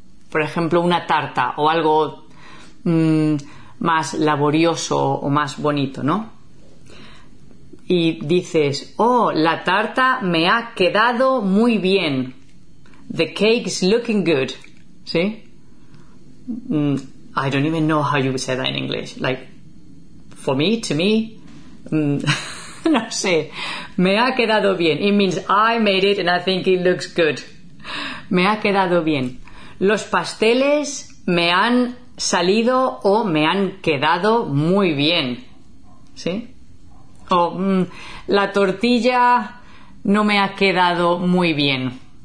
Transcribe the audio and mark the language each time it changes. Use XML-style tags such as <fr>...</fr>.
<es>Por ejemplo, una tarta o algo más laborioso o más bonito, ¿no? Y dices, oh, la tarta me ha quedado muy bien.</es> <en>The cake's looking good. ¿Sí? I don't even know how you would say that in English. Like, for me, to me,</en> <es>no sé. Me ha quedado bien.</es> <en>It means I made it and I think it looks good.</en> <es>Me ha quedado bien. Los pasteles me han salido o me han quedado muy bien. ¿Sí? O la tortilla no me ha quedado muy bien.</es>